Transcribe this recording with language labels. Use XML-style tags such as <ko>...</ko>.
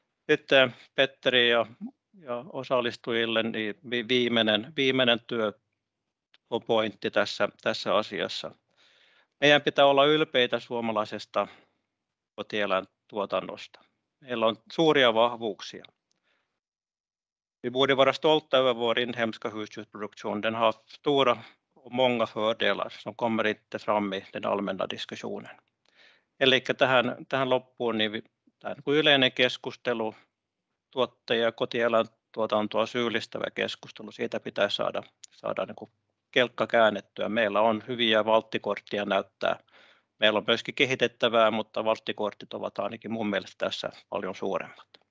<fi>Sitten Petteri ja osallistujille niin viimeinen työpointti tässä asiassa. Meidän pitää olla ylpeitä suomalaisesta kotieläintuotannosta. Meillä on suuria vahvuuksia.</fi> <sv>Vi borde vara stolta över vår inhemska husdjursproduktion. Den har stora och många fördelar som kommer inte fram i den allmänna diskussionen.</sv> <fi>Eli tähän loppuun niin tämä yleinen keskustelu, tuottaja- ja kotieläintuotantoa syyllistävä keskustelu, siitä pitää saada niin kuin kelkka käännettyä. Meillä on hyviä valttikortteja näyttää. Meillä on myöskin kehitettävää, mutta valttikortit ovat ainakin mun mielestä tässä paljon suuremmat.</fi>